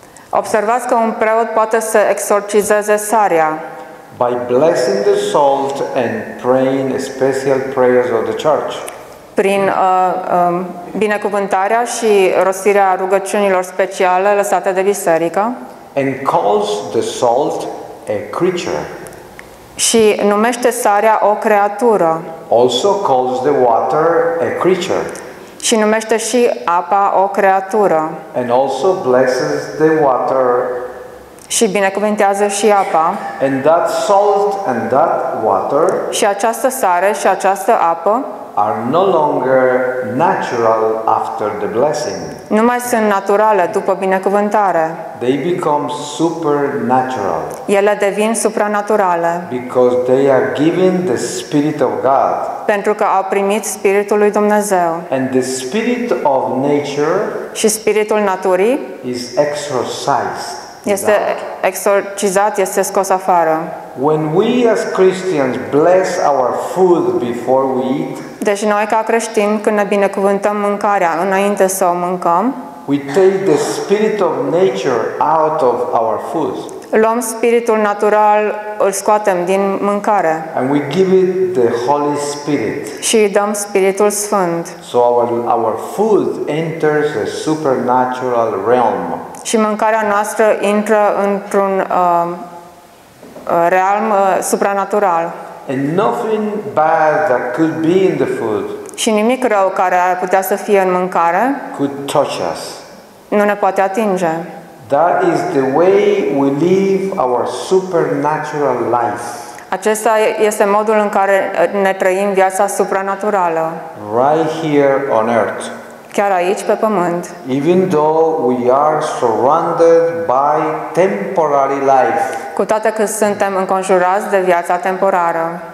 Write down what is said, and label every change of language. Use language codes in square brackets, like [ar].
[ro] Observați că un preot poate să exorcizeze sarea. [en] By blessing the salt and praying special prayers of the church. [ro] Prin binecuvântarea și rostirea rugăciunilor speciale lăsate de biserică. [en] And calls the salt a creature. [ro] Și numește sarea o creatură. [en] Also calls the water a creature. [ro] Și numește și apa o creatură. [en] And also blesses the water. [ro] Și binecuvintează și apa. [en] And that salt and that water. [ro] Și această sare și această apă [en] are no longer natural after the blessing. [ro] Nu mai sunt naturale după binecuvântare. [en] They become supernatural. [ro] Ele devin supranaturale. [en] Because they are given the Spirit of God. [ro] Pentru că au primit Spiritul lui Dumnezeu. [en] And the Spirit of nature. [ro] Și Spiritul naturii. [en] Is exorcised. [ro] Este exorcizat, este scos afară. [en] When we as Christians bless our food before we eat. [ro] Deci noi ca creștini când ne binecuvântăm mâncarea înainte să o mâncăm. [en] We take the spirit of nature out of our food. [ro] Luăm spiritul natural, îl scoatem din mâncare. [en] And we give it the Holy Spirit. [ro] Și îi dăm Spiritul Sfânt. [en] So our food enters a supernatural realm. [ro] Și mâncarea noastră intră într-un realm supranatural. [en] And nothing bad that could be in the food. [ro] Și nimic rău care ar putea să fie în mâncare. [en] Could touch us. [ro] Nu ne poate atinge. [en] That is the way we live our supernatural life. [ro] Acesta este modul în care ne trăim viața supranaturală. [en] Right here on earth. [ro] Chiar aici pe pământ. [en] Even though we are surrounded by temporary life. [ro] Cu toate că suntem înconjurați de viața temporară.